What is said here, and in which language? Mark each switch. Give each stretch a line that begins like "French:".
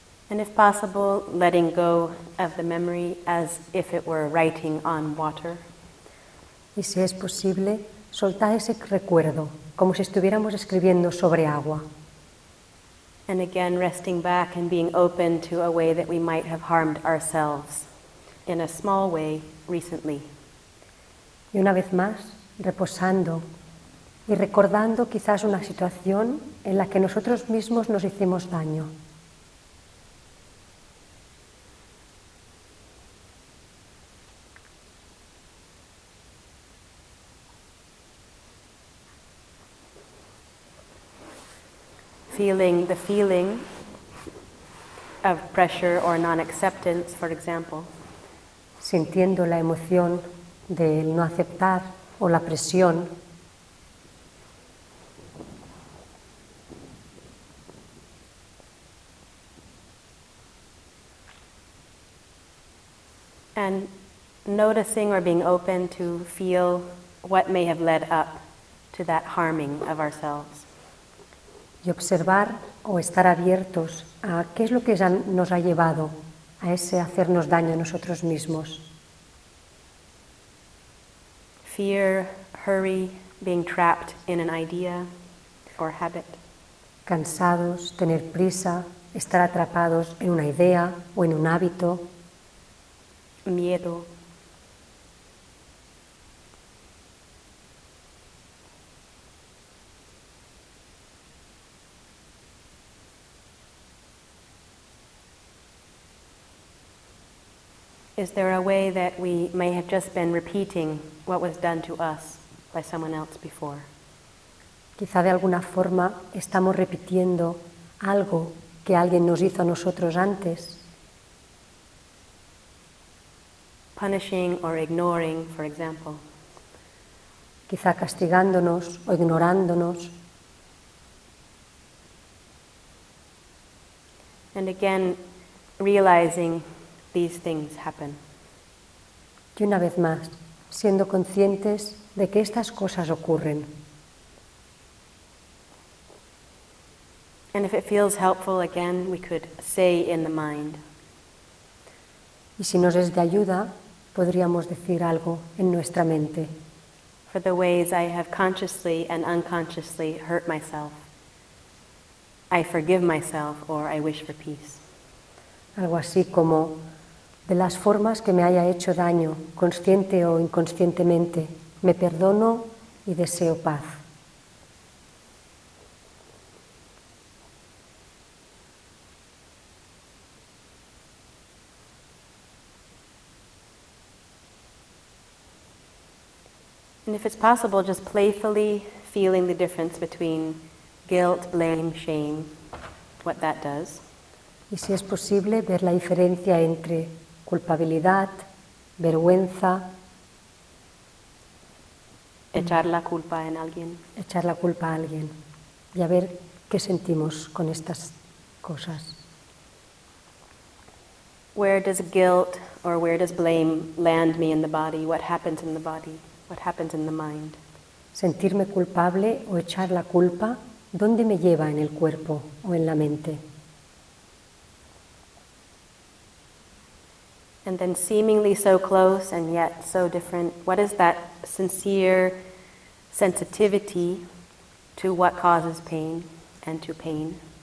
English: And if possible, letting go of the memory as if it were writing on water.
Spanish: Y si es posible, soltar ese recuerdo, como si estuviéramos escribiendo sobre agua.
English: And again, resting back and being open to a way that we might have harmed ourselves in a small way recently.
Spanish: Y una vez más, reposando y recordando quizás una situación en la que nosotros mismos nos hicimos daño.
English: Feeling the feeling of pressure or non-acceptance, for example.
Spanish: Sintiendo la emoción del no aceptar o la presión.
English: And noticing or being open to feel what may have led up to that harming of ourselves.
Spanish: Y observar o estar abiertos a qué es lo que nos ha llevado a ese hacernos daño a nosotros mismos.
English: Fear, hurry, being trapped in an idea or habit.
Spanish: Cansados, tener prisa, estar atrapados en una idea o en un hábito. Miedo.
English: Is there a way that we may have just been repeating what was done to us by someone else before.
Spanish: Quizá de alguna forma estamos repitiendo algo que alguien nos hizo a nosotros antes.
English: Punishing or ignoring, for example.
Spanish: Quizá castigándonos o ignorándonos.
English: And again, realizing these things happen.
Spanish: Y una vez más, siendo conscientes de que estas cosas ocurren.
English: And if it feels helpful, again, we could say in the mind.
Spanish: Y si nos es de ayuda, podríamos decir algo en nuestra mente.
English: For the ways I have consciously and unconsciously hurt myself, I forgive myself or I wish for peace.
Spanish: Algo así como, de las formas que me haya hecho daño, consciente o inconscientemente, me perdono y deseo paz.
English: And if it's possible, just playfully feeling the difference between guilt, blame, shame, what that does.
Spanish: Y si es posible ver la diferencia entre culpabilidad, vergüenza, echar la culpa en alguien. Echar la culpa a alguien y a ver qué sentimos con estas cosas.
English: Where does guilt or where does blame land me in the body? What happens in the body? What happens in the mind?
Spanish: Sentirme culpable o echar la culpa, ¿dónde me lleva en el cuerpo o en la mente?
English: And then seemingly so close and yet so different, what is that sincere sensitivity to what causes pain and to pain?